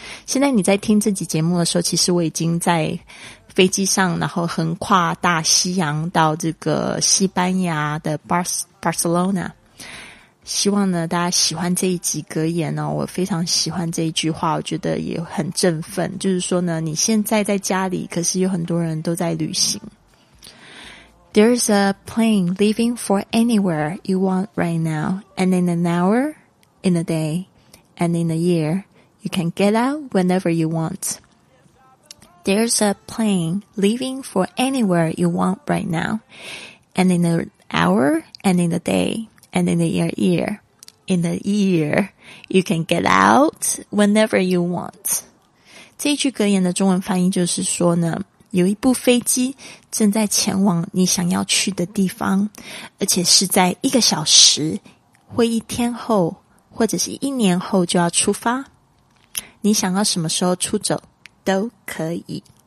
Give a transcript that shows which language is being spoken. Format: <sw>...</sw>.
<zh>现在你在听这集节目的时候，其实我已经在飞机上，然后横跨大西洋到这个西班牙的 Barcelona。希望呢大家喜欢这一集格言哦，我非常喜欢这一句话，我觉得也很振奋，就是说呢你现在在家里，可是有很多人都在旅行。</zh> <en>There's a plane leaving for anywhere you want right now, and in an hour, in a day, and in a year, you can get out whenever you want. There's a plane leaving for anywhere you want right now, and in an hour, and in a day, and in a year, in a year, you can get out whenever you want.</en> <zh>这句格言的中文翻译就是说呢，有一部飞机正在前往你想要去的地方，而且是在一个小时或一天后或者是一年后就要出发，你想要什么时候出走都可以。</zh>